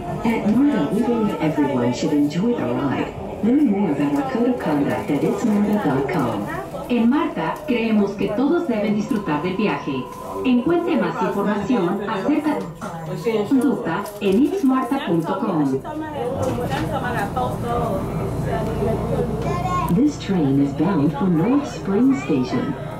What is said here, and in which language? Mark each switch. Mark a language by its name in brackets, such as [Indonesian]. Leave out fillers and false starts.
[English] At MARTA, we believe everyone should enjoy the ride. Learn more about our code of conduct at itsmarta.com. [Spanish] En MARTA, creemos que todos deben disfrutar del viaje. Encuentre más información acerca de su conducta en itsmarta.com. [English] This train is bound for North Spring Station.